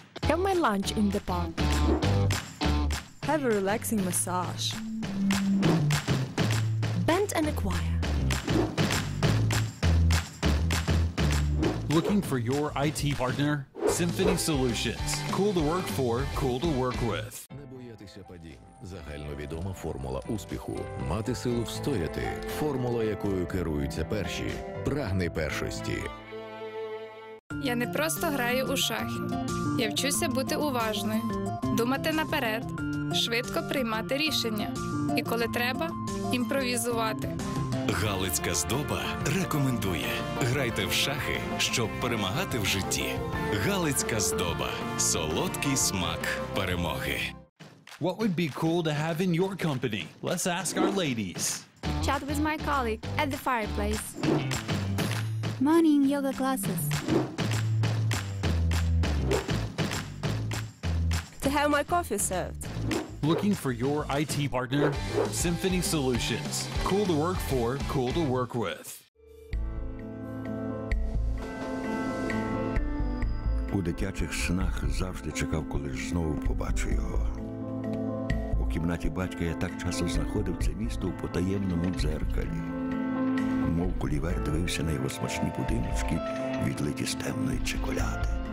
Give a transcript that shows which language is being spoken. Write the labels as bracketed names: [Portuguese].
[English] Have my lunch in the park. Have a relaxing massage. Band and a choir. Looking for your IT partner? Symphony Solutions. Cool to work for, cool to work with. [Ukrainian] Загальновідома формула успіху. Мати силу встояти. Формула, якою керуються перші. Прагни першості. Я не просто граю у шахи. Я вчуся бути уважною, думати наперед, швидко приймати рішення. І коли треба, імпровізувати. Галицька Здоба рекомендує. Грайте в шахи, щоб перемагати в житті. Галицька Здоба. Солодкий смак перемоги. [English] What would be cool to have in your company? Let's ask our ladies. Chat with my colleague at the fireplace. Morning yoga classes. To have my coffee served. Looking for your IT partner? Symphony Solutions. Cool to work for, cool to work with. [Ukrainian] У дитячих снах завжди чекав, коли ж знову побачу його. В кімнаті батька я так часто знаходив це місто у потаємному дзеркалі. Мов Кулівер дивився на його смачні будиночки, відлиті з темної чоколяди.